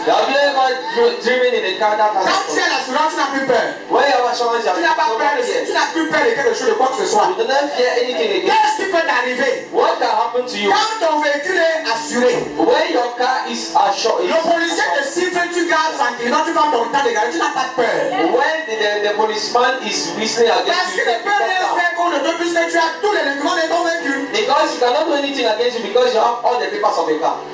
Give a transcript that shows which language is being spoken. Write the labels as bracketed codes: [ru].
[en] Have you ever driven in a car that has? [fr] Quand tu as l'assurance, tu n'as plus peur. [en] Where you have assurance, [fr] tu n'as pas peur. Tu n'as plus peur de quelque chose, de quoi que ce soit. [en] You don't fear anything again. [fr] Qu'est-ce qui peut t'arriver? [en] What can happen to you? [fr] Quand ton véhicule est assuré. [en] Where your car is assured. [fr] Le policier te siffle, tu gardes tranquille. Tu prends ton temps de garder. Tu n'as pas peur. [en] When the policeman is whistling against you. Because you cannot do anything against you because you have all the papers of a car.